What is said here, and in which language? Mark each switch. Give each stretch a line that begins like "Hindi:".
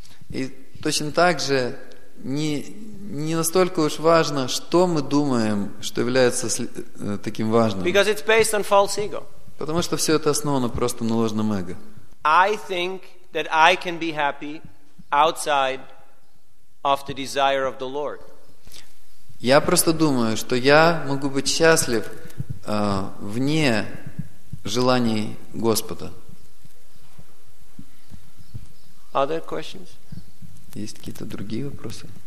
Russian: И точно так же не настолько уж важно, что мы думаем, что является таким важным.
English: Because it's based on false ego.
Russian: Потому что все это основано просто на ложном эго.
English: I think that I can be happy outside of the desire of the Lord.
Russian: Я просто думаю, что я могу быть счастлив вне желаний Господа.
English: Other questions?
Russian: Есть какие-то другие вопросы?